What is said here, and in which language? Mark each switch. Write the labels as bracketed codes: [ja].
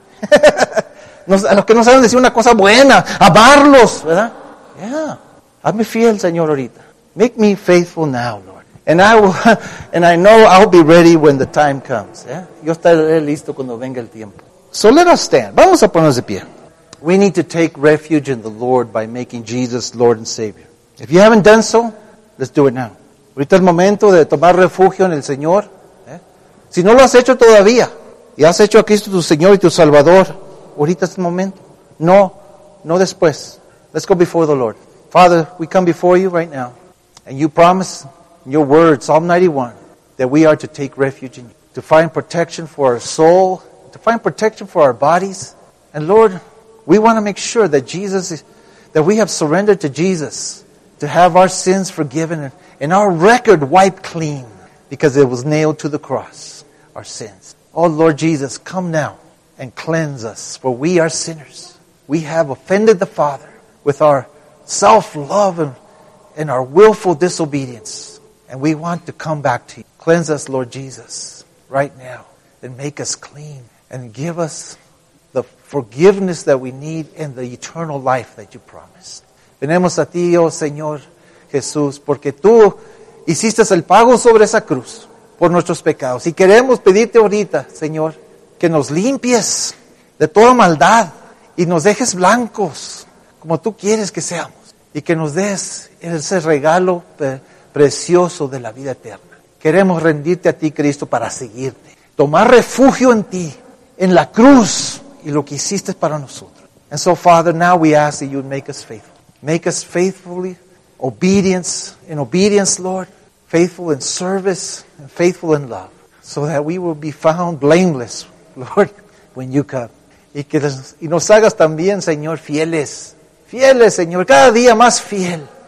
[es] A los que no saben decir una cosa buena, amarlos, ¿verdad? Yeah. Hazme fiel, Señor, ahorita. [en] Make me faithful now, Lord. And I know I'll be ready when the time comes. [es] Yo estaré listo cuando venga el tiempo. [en] So let us stand. [es] Vamos a ponernos de pie. [en] We need to take refuge in the Lord by making Jesus Lord and Savior. If you haven't done so, let's do it now. [es] Ahorita es el momento de tomar refugio en el Señor. Si no lo has hecho todavía, y has hecho a Cristo tu Señor y tu Salvador, ahorita es el momento. No después. [en] Let's go before the Lord. Father, we come before you right now. And you promise in your word, Psalm 91, that we are to take refuge in you, to find protection for our soul, to find protection for our bodies. And Lord, we want to make sure that that we have surrendered to Jesus to have our sins forgiven and our record wiped clean because it was nailed to the cross, our sins. Oh, Lord Jesus, come now and cleanse us, for we are sinners. We have offended the Father with our self-love and our willful disobedience. And we want to come back to you. Cleanse us, Lord Jesus, right now and make us clean. And give us the forgiveness that we need and the eternal life that you promised. [es] Venemos a ti, oh Señor Jesús, porque tú hiciste el pago sobre esa cruz por nuestros pecados. Y queremos pedirte ahorita, Señor, que nos limpies de toda maldad y nos dejes blancos como tú quieres que seamos. Y que nos des ese regalo precioso de la vida eterna. Queremos rendirte a ti, Cristo, para seguirte. Tomar refugio en ti. En la cruz y lo que hiciste para nosotros. [en] And so, Father, now we ask that you'd make us faithful. Make us faithfully obedience, in obedience, Lord, faithful in service, and faithful in love, so that we will be found blameless, Lord, when you come. [es] Y que nos hagas también, Señor, fieles. Fieles, Señor, cada día más fiel.